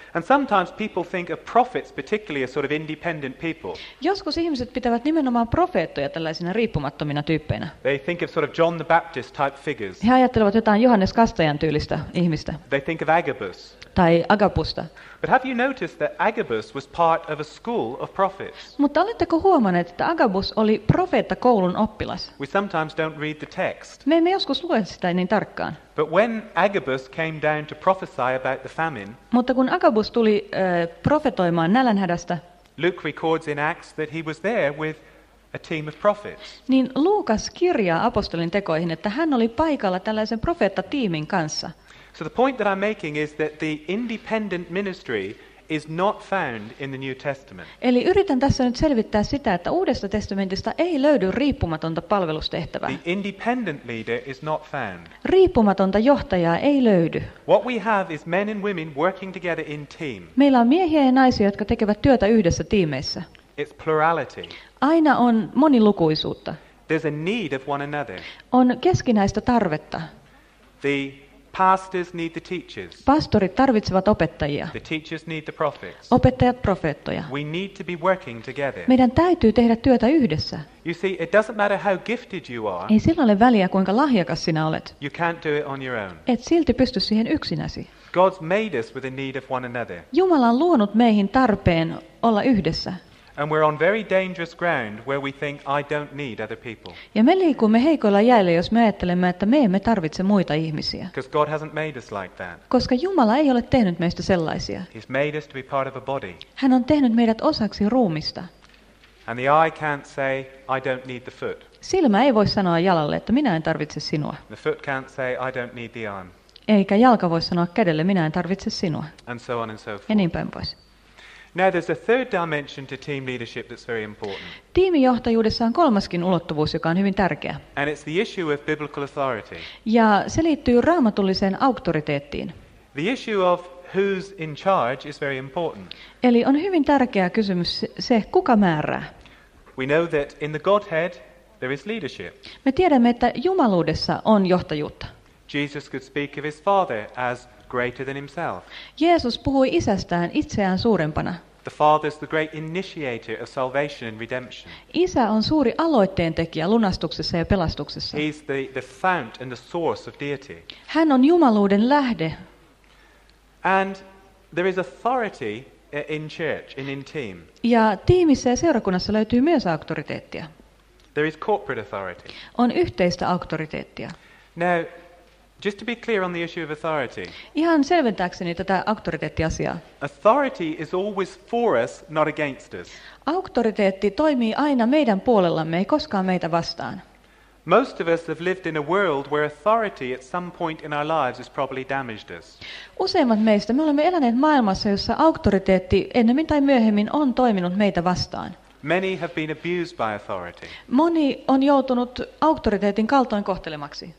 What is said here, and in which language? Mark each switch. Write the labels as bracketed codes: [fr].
[en] And sometimes people think of prophets particularly as sort of independent people. [fi] Joskus ihmiset pitävät nimenomaan profeettoja tällaisina riippumattomina tyyppeinä. [en] They think of sort of John the Baptist type figures. [fi] He ajattelevat jotain Johannes Kastajan tyylistä ihmistä. [en] They think of Agabus. [fi] Tai Agabusta. [en] But have you noticed that Agabus was part of a school of prophets? [fi] Mutta oletteko huomanneet, että Agabus oli profeettakoulun oppilas? [en] We sometimes don't read the text. [fi] Me emme joskus lue sitä niin tarkkaan. [en] But when Agabus came down to prophesy about the famine, [fi] mutta kun Agabus tuli profetoimaan nälänhädästä, [en] Luke records in Acts that he was there with a team of prophets. [fi] Niin Luukas kirjaa apostolin tekoihin, että hän oli paikalla tällaisen profeettatiimin kanssa. [en] So the point that I'm making is that the independent ministry is not found in the New Testament. [fi] Eli yritän tässä nyt selvittää sitä, että Uudesta testamentista ei löydy riippumatonta palvelustehtävää. [en] The independent leader is not found. [fi] Riippumatonta johtajaa ei löydy. [en] What we have is men and women working together in team. [fi] Meillä on miehiä ja naisia, jotka tekevät työtä yhdessä tiimeissä. [en] It's plurality. [fi] Aina on monilukuisuutta. [en] There's a need of one another. [fi] On keskinäistä tarvetta. [en] The pastors need the teachers. [fi] Pastorit tarvitsevat opettajia. [en] The teachers need the prophets. [fi] Opettajat profeettoja. [en] We need to be working together. [fi] Meidän täytyy tehdä työtä yhdessä. [en] You see, it doesn't matter how gifted you are. [fi] Ei sillä ole väliä, kuinka lahjakas sinä olet. [en] You can't do it on your own. [fi] Et silti pysty siihen yksinäsi. [en] God's made us with a need of one another. [fi] Jumala on luonut meihin tarpeen olla yhdessä. [en] And we're on very dangerous ground where we think I don't need other people. [fi] Ja me liikumme heikoilla jäillä, jos me ajattelemme, että me emme tarvitse muita ihmisiä. [en] Because God hasn't made us like that. [fi] Koska Jumala ei ole tehnyt meistä sellaisia. [en] He's made us to be part of a body. [fi] Hän on tehnyt meidät osaksi ruumista. [en] And the eye can't say I don't need the foot. [fi] Silmä ei voi sanoa jalalle, että minä en tarvitse sinua. [en] The foot can't say I don't need the arm. [fi] Eikä jalka voi sanoa kädelle, minä en tarvitse sinua. [en] And so on and so forth. [fi] Ja niin päin pois. [en] Now there's a third dimension to team leadership that's very important. [fi] Tiimijohtajuudessa on kolmaskin ulottuvuus, joka on hyvin tärkeä. [en] And it's the issue of biblical authority. [fi] Ja se liittyy raamatulliseen auktoriteettiin. [en] The issue of who's in charge is very important. [fi] Eli on hyvin tärkeä kysymys se, kuka määrää. [en] We know that in the Godhead there is leadership. [fi] Me tiedämme, että jumaluudessa on johtajuutta. [en] Jesus could speak of his father as greater than himself. [fi] Jeesus puhui isästään itseään suurempana. [en] The Father is the great initiator of salvation and redemption. [fi] Isä on suuri aloitteen tekijä lunastuksessa ja pelastuksessa. [en] He's the fount and the source of deity. [fi] Hän on jumaluuden lähde. [en] And there is authority in church and in team. [fi] Ja tiimissä ja seurakunnassa löytyy myös auktoriteettia. [en] There is corporate authority. [fi] On yhteistä auktoriteettia. [en] Now, just to be clear on the issue of authority. [fi] Ihan selventääkseni tätä auktoriteettiasiaa. [en] Authority is always for us, not against us. [fi] Auktoriteetti toimii aina meidän puolellamme, ei koskaan meitä vastaan. [en] Most of us have lived in a world where authority at some point in our lives has probably damaged us. [fi] Useimmat meistä me olemme eläneet maailmassa, jossa auktoriteetti ennemmin tai myöhemmin on toiminut meitä vastaan. [en] Many have been abused by authority. [fi] Moni on joutunut auktoriteetin kaltoin kohtelemaksi.